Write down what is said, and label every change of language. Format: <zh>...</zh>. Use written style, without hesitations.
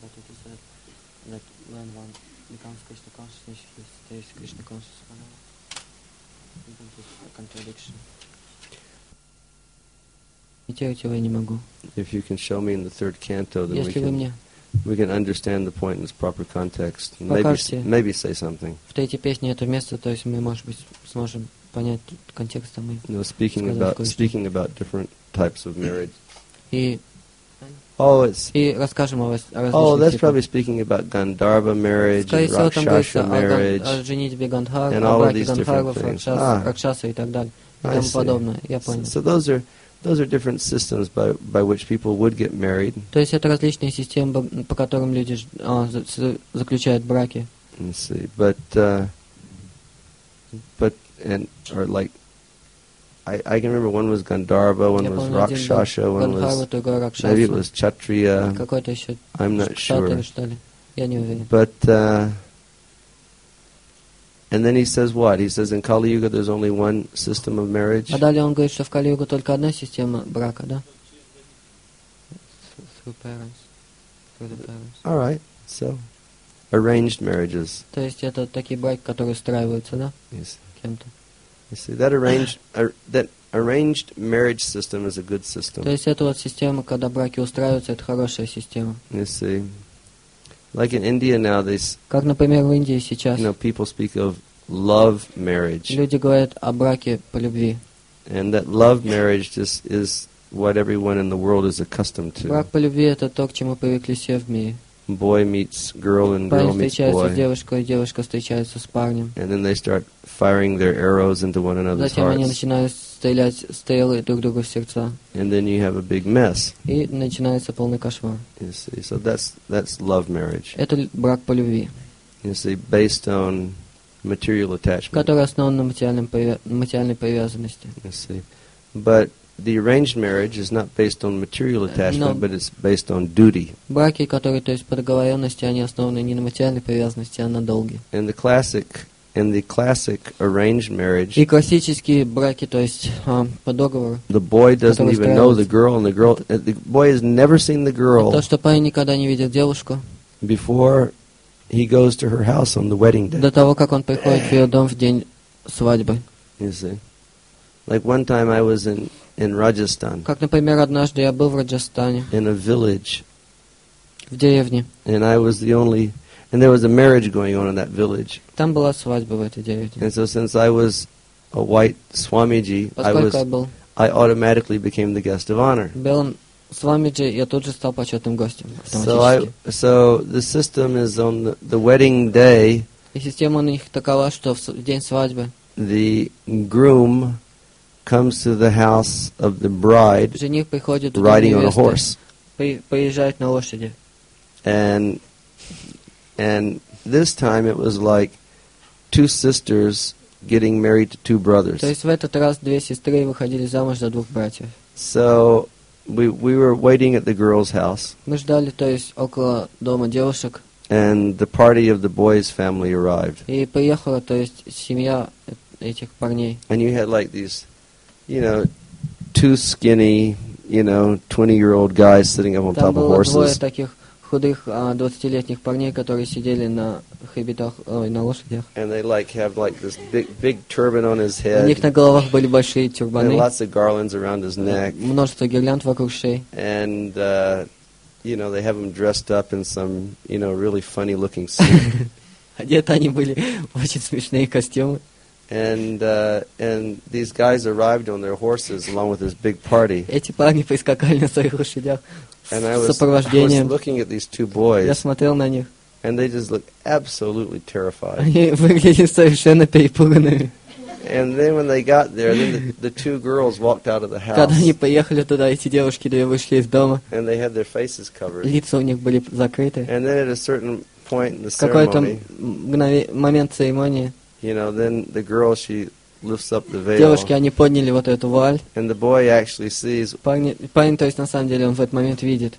<en>But it is said that when one becomes Krishna consciousness, he stays Krishna consciousness forever. Isn't it a contradiction? If you can show me in the third canto, then we can understand the point in its proper context. Maybe say something.</en> <ru>В третьей песне это место, то есть мы, может быть, сможем понять контекст, а мы.</ru> <en>No, speaking about different types of marriage.</en> <ru>И.</ru> <en>Oh, it's.</en> <ru>И расскажем о различных.</ru> <en>Oh, that's probably speaking about Gandharva marriage, Rakshasa marriage,</en> <ru>о женитьбе Гандхарв, о браке Гандхарвов, Ракшаса и так далее, и тому подобное. Я понял.</ru> <en>So those are. Those are different systems by which people would get married.</en> <ru>То есть это различные системы, по которым люди заключают браки.</ru> <en>Let's see, or like, I can remember one was Gandharva, one was Rakshasa, one was maybe it was Kshatriya.</en> <ru>Какой-то еще.</ru> <en>I'm not sure.</en> <ru>Что ли? Я не уверен.</ru> <en>But and then he says what? He says in Kali Yuga there's only one system of marriage.</en> <ru>А далее он говорит, что в Кали Юга только одна система брака, да?</ru> <en>Through parents, through the parents. All right, so arranged marriages.</en> <ru>То есть это такие браки, которые устраиваются, да?</ru> <en>Yes.</en> <ru>Кем-то.</ru> <en>You see that arranged marriage system is a good system.</en> <ru>То есть это вот система, когда браки устраиваются, это хорошая система.</ru> <en>You see. Like in India now,</en> <ru>как, например, в Индии сейчас,</ru> <en>you know, people speak of love marriage.</en> <ru>Люди говорят о браке по любви.</ru> <en>And that love marriage just is what everyone in the world is accustomed to.</en> <ru>Брак по любви это то, к чему привыкли все в мире.</ru> <en>Boy meets girl and girl meets boy.</en> <ru>Парень встречается с девушкой, девушка встречается с парнем.</ru> <en>And then they start firing their arrows into one another's hearts.</en> <ru>Затем они начинают стрелять стрелы друг другу в сердца.</ru> <en>And then you have a big mess.</en> <ru>И начинается полный кошмар.</ru> <en>You see, so that's love marriage.</en> <ru>Это брак по любви.</ru> <en>You see, based on material attachment.</en> <ru>Который основан на материальной привязанности.</ru> <en>You see, but the arranged marriage is not based on material attachment, but it's based on duty.</en> <ru>Браки, которые, то есть, по договоренности, они основаны не на материальной привязанности, а на долге.</ru> <en>And the classic. In the classic arranged marriage,</en> <ru>и классические браки, то есть по договору.</ru> <en>The boy doesn't even know the girl, and the boy has never seen the girl.</en> <ru>То, что парень никогда не видел девушку.</ru> <en>Before he goes to her house on the wedding day.</en> <ru>До того, как он приходит в ее дом в день свадьбы.</ru> <en>You see, like one time I was in Rajasthan.</en> <ru>Как, например, однажды я был в Раджастане.</ru> <en>In a village.</en> <ru>В деревне.</ru> <en>And I was the only. And there was a marriage going on in that village.</en> <ru>Там была свадьба в этой деревне.</ru> <en>And so since I was a white Swamiji, I automatically became the guest of honor.</en> <ru>Белым Свамиджи, я тут же стал почетным гостем.</ru> <en>So the system is on the wedding day.</en> <ru>И система у них такова, что в день свадьбы.</ru> <en>The groom comes to the house of the bride</en> <ru>жених приходит</ru> <en>riding on a horse.</en> <ru>Поезжает на лошади.</ru> <en>And this time it was like two sisters getting married to two brothers.</en> <ru>То есть в этот раз две сестры выходили замуж за двух братьев.</ru> <en>So we were waiting at the girls' house.</en> <ru>Мы ждали, то есть около дома девушек.</ru> <en>And the party of the boys' family arrived.</en> <ru>И поехала, то есть семья этих парней.</ru> <en>And you had like these, you know, two skinny, you know, 20-year-old guys sitting up on</en> <ru>Там</ru> <en>top of horses.</en> <ru>Двое таких худых 20-летних парней, которые сидели на хоббитах, на лошадях.</ru> <en>And they like have like this big turban on his head.</en> <ru>У них на головах были большие тюрбаны.</ru> <en>And lots of garlands around his neck.</en> <ru>Множество гирлянд вокруг шеи.</ru> <en>And you know, they have them dressed up in some, you know, really funny looking suit.</en> <ru>Одеты они были в очень смешные костюмы.</ru> <en>And these guys arrived on their horses along with this big party.</en> <ru>Эти парни прискакали на своих лошадях.</ru> <en>And I was looking at these two boys.</en> <ru>Я смотрел на них.</ru> <en>And they just looked absolutely terrified.</en> <ru>Они выглядели совершенно перепуганными.</ru> <en>And then when they got there, then the two girls walked out of the house.</en> <ru>Когда они поехали туда, эти девушки две вышли из дома.</ru> <en>And they had their faces covered.</en> <ru>Лица у них были закрыты.</ru> <en>And then at a certain point in the ceremony.</en> <ru>Какой-то момент церемонии.</ru> <en>You know, then the girl, she lifts up the veil.</en> <ru>Девушки, они подняли вот эту вуаль.</ru> <en>And the boy actually sees.</en> <ru>Парень, то есть на самом деле, он в этот момент видит.</ru>